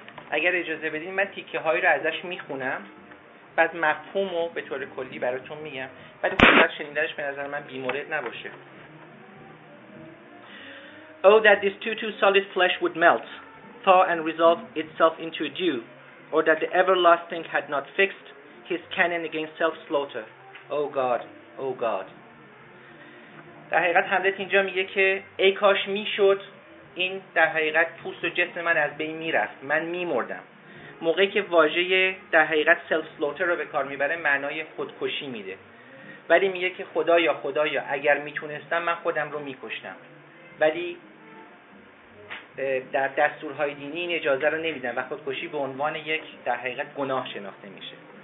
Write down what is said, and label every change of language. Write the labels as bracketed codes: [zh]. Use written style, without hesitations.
[fa] اگر اجازه بدین من تیکه هایی رو ازش میخونم، بعد مفهومو به طور کلی براتون میگم، ولی خب بعد شنیدنش به نظر من بی‌مورد نباشه. [en] Oh, that this tutu solid flesh would melt, thaw and resolve itself into a dew, or that the everlasting had not fixed his cannon against self-slaughter. Oh God, oh God. [fa] در حقیقت هملت اینجا میگه که ای کاش میشد این در حقیقت پوست و جسم من از بین میرفت، من میمردم. موقعی که واژه در حقیقت self-slaughter رو به کار میبره معنای خودکشی میده، ولی میگه که خدایا خدایا اگر میتونستم من خودم رو میکشتم، ولی در دستورهای دینی این اجازه رو نمیدن و خودکشی به عنوان یک در حقیقت گناه شناخته میشه.